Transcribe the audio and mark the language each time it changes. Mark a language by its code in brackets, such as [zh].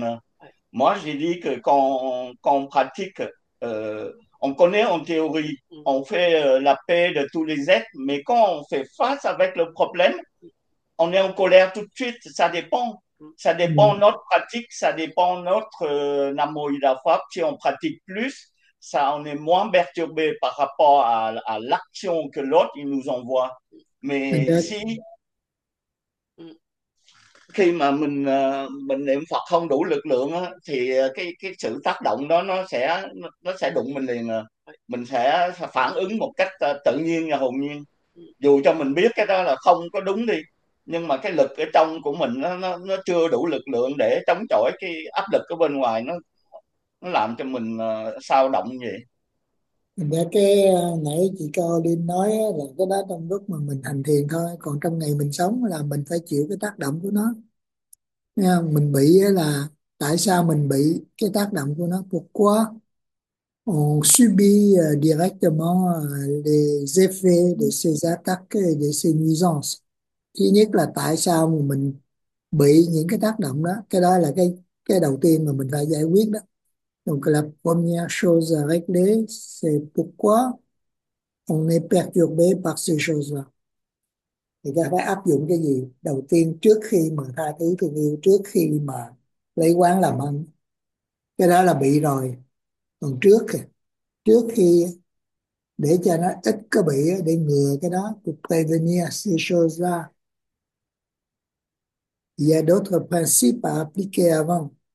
[fr] À, moi j'ai dit que quand on pratique on connaît en théorie, on fait la paix de tous les êtres, mais quand on fait face avec le problème, on est en colère tout de suite. Ça dépend. Ça dépend de notre pratique, ça dépend de notre Nam Mô A Di Đà Phật. Si on pratique plus, ça, on est moins perturbé par rapport à l'action que l'autre il nous envoie. Mais si, [vi] khi mà mình niệm Phật không đủ lực lượng á, thì cái sự tác động đó nó sẽ đụng mình liền. À, mình sẽ phản ứng một cách tự nhiên và hồn nhiên, dù cho mình biết cái đó là không có đúng đi, nhưng mà cái lực ở trong của mình nó chưa đủ lực lượng để chống chọi cái áp lực ở bên ngoài, nó làm cho mình xao động như vậy. Cái nãy chị Cao Linh nói là cái đó trong lúc mà mình hành thiền thôi, còn trong ngày mình sống là mình phải chịu cái tác động của nó. Mình bị là tại sao mình bị cái tác động của nó? [fr] Pourquoi on subit directement les effets de ces attaques et de ces nuisances? [vi] Thứ nhất là tại sao mình bị những cái tác động đó? Cái đó là cái đầu tiên mà mình phải giải quyết đó. [fr] Donc la première chose à régler, c'est pourquoi on est perturbé par ces choses-là. [vi] Thì ta phải áp dụng cái gì đầu tiên trước khi mà tha thứ thương yêu, trước khi mà lấy quán làm ăn. Cái đó là bị rồi. Còn trước khi để cho nó ít có bị, để ngừa cái đó, [fr] pour prévenir ces choses-là. Il y a d'autres principes à appliquer avant.